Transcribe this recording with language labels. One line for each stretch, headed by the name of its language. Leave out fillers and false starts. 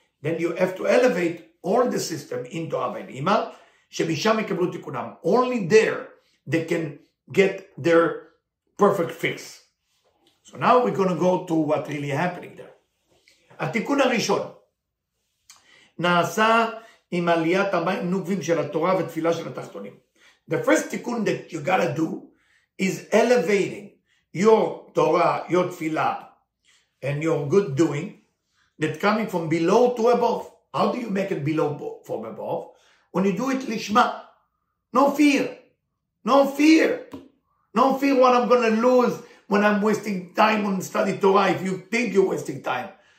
English: Then you have to elevate all the system into אבא עם אמא,
Hebrew: שמשם יקבלו תיקונם.
English: Only there they can get their perfect fix. So now we're going to go to what really happening there.
Hebrew: התיקון הראשון נעשה עם עליית המים נוקבים של התורה ותפילה של התחתונים.
English: The first תיקון that you gotta do is elevating your Torah, your תפילה, and your good doing that coming from below to above. How do you make it below from above? When you do it lishma, no fear, no fear, no fear what I'm going to lose when I'm wasting time on study Torah, if you think you're wasting time.